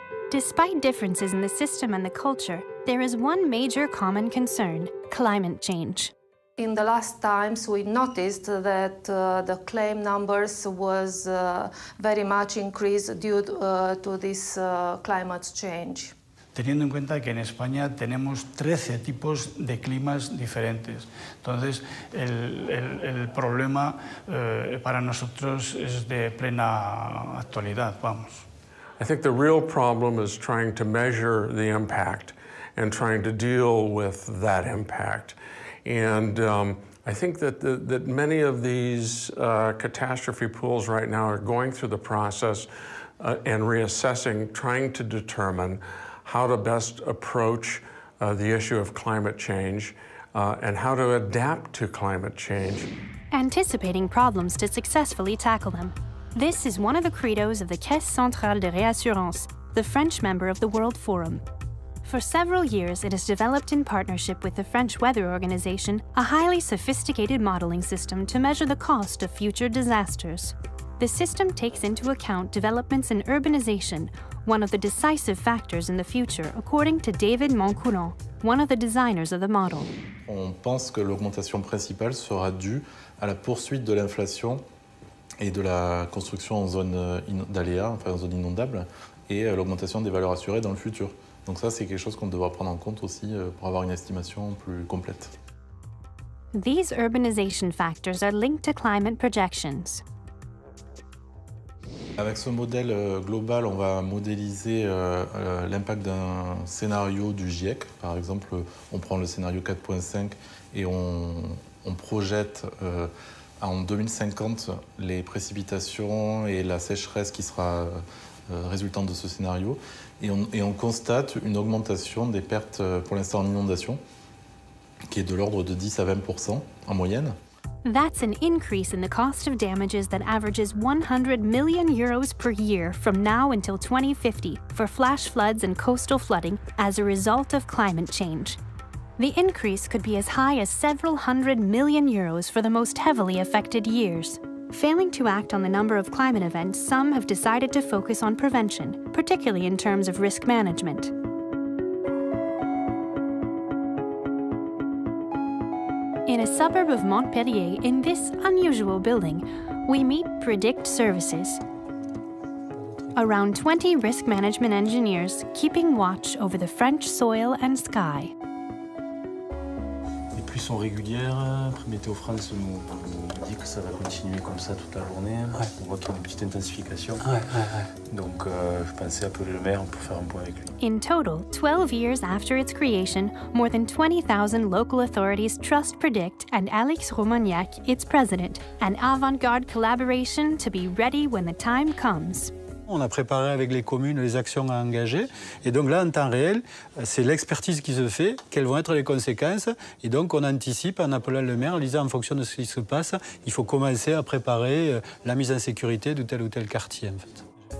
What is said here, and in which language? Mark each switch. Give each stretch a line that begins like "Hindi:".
English: Despite differences in the system and the culture, there is one major common concern: climate change. In the last times, we noticed that the claim numbers was very much increased due to this climate change.
Spanish: Teniendo en cuenta que en España tenemos 13 tipos de climas diferentes. Entonces, el problema para nosotros es de plena actualidad, vamos.
English: I think the real problem is trying to measure the impact and trying to deal with that impact. And I think that that many of these catastrophe pools right now are going through the process and reassessing, trying to determine how to best approach the issue of climate change and how to adapt to climate change. Anticipating problems to successfully tackle them. This is one of the credos of the Caisse Centrale de Réassurance, the French member of the World Forum. For several years, it has developed in partnership with the French Weather Organization a highly sophisticated modeling system to measure the cost of future disasters. The system takes into account developments in urbanization, one of the decisive factors in the future, according to David Moncouron, one of the designers of the model.
French: On pense que l'augmentation principale sera due à la poursuite de l'inflation et de la construction en zone d'aléa, enfin en zone inondable, et l'augmentation des valeurs assurées dans le futur. Donc ça, c'est quelque chose qu'on devra prendre en compte aussi pour avoir une estimation plus complète.
English: These urbanization factors are linked to climate projections.
French: Avec ce modèle global, on va modéliser l'impact d'un scénario du GIEC. Par exemple, on prend le scénario 4.5 et on projette en 2050 les précipitations et la sécheresse qui sera résultante de ce scénario. Et on constate une augmentation des pertes pour l'instant en inondation, qui est de l'ordre de 10 à 20% en moyenne.
English: That's an increase in the cost of damages that averages 100 million euros per year from now until 2050 for flash floods and coastal flooding as a result of climate change. The increase could be as high as several hundred million euros for the most heavily affected years. Failing to act on the number of climate events, some have decided to focus on prevention, particularly in terms of risk management. In a suburb of Montpellier, in this unusual building, we meet Predict Services. Around 20 risk management engineers keeping watch over the French soil and sky.
French: Les pluies sont régulières. Météo France nous dit que ça va continuer comme ça toute la journée. Ouais. On voit une petite intensification. Ouais, ouais, ouais. Donc je pensais appeler le maire pour faire un point avec lui.
English: In total, 12 years after its creation, more than 20,000 local authorities trust Predict and Alex Romagnac, its president, an avant-garde collaboration to be ready when the time comes.
French: On a préparé avec les communes les actions à engager. Et donc là, en temps réel, c'est l'expertise qui se fait, quelles vont être les conséquences. Et donc, on anticipe en appelant le maire, en disant en fonction de ce qui se passe, il faut commencer à préparer la mise en sécurité de tel ou tel quartier, en fait.